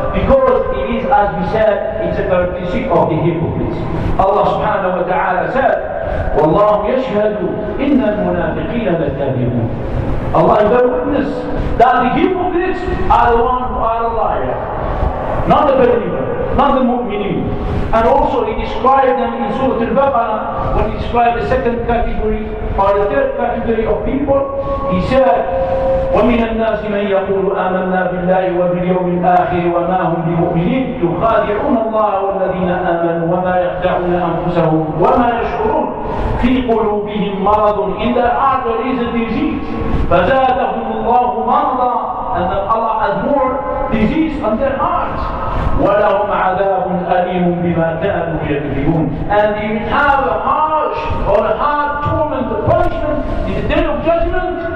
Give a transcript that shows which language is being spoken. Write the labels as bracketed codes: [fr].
[en] Because it is, as we said, it's a characteristic of the hypocrites. Allah subhanahu wa ta'ala said, [ar] وَاللَّهُ يَشْهَدُ إِنَّ الْمُنَافِقِينَ لَكَذِبُونَ. [en] Allah is a witness that the hypocrites are the ones who are a liar. Not the believer, not the mu'minin. And also he described them in Surah Al-Baqarah, when he described the second category or the third category of people, he said, [ar] وَمِنَ النَّاسِ مَنْ يَقُولُ آمَنَّا بِاللَّهِ وَبِالْيَوْمِ الْآخِرِ وَمَا هُمْ بِمُؤْمِنِينَ يُخَادِعُونَ اللَّهَ وَالَّذِينَ آمَنُوا وَمَا يَخْدَعُونَ أَنفُسَهُمْ وَمَا يَشْعُرُونَ فِي قُلُوبِهِمْ مَرَضٌ. [en] In their heart there is a disease. [ar] فَزَادَهُمُ اللَّهُ مَرَضًا. [en] And that Allah has more disease on their hearts. [ar] وَلَهُمْ عَذَابٌ أَلِيمٌ بِمَا كَانُوا يَكْذِبُونَ. [en] And they will have a harsh or a hard torment, a punishment in the day of judgment.